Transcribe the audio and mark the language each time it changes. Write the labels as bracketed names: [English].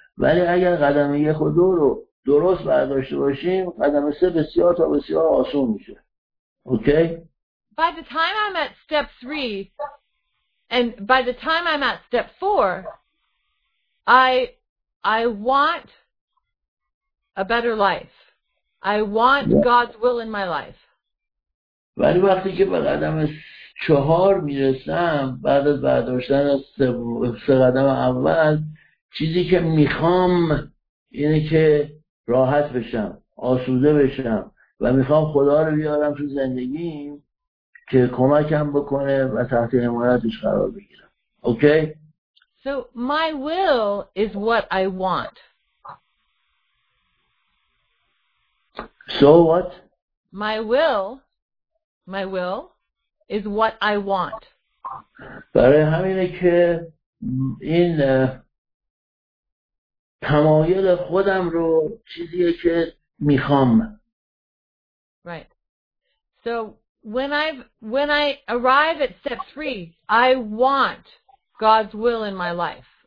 [Persian] ولی اگر قدم یک و دو رو درست برداشته باشیم قدم سه بسیار تا بسیار آسون میشه. [English] Okay? By the time I'm at step 3 and by the time I'm at step 4 I want a better life. I want God's will in my life. [Persian] ولی وقتی که به قدم چهار میرسم بعد از برداشتن از سه قدم اول چیزی که میخوام اینه که راحت بشم، آسوده بشم و میخوام خدا رو بیارم تو زندگیم که کمکم بکنه و تحت حمایتش قرار بگیرم. [English] Okay? So my will is what I want. So what? My will is what I want. [Persian] برای همینه که این تمایل خودم رو چیزیه که میخوام. [English] Right. So when I arrive at step 3, I want God's will in my life.